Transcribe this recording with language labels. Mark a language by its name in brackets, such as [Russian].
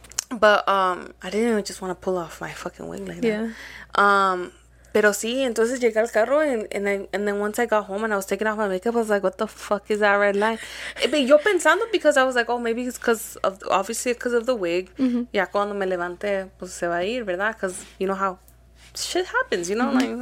[English] But I didn't even just want to pull off my fucking wig like that. Yeah. [Spanish] Pero sí, entonces llegué al carro [English] and then once I got home and I was taking off my makeup, I was like, what the fuck is that red line? But [Spanish] yo pensando [English] because I was like, oh, maybe it's because of the wig. Mm-hmm. [Spanish] Ya cuando me levante, pues se va a ir, ¿verdad? [English] Because you know how shit happens, you know, mm-hmm.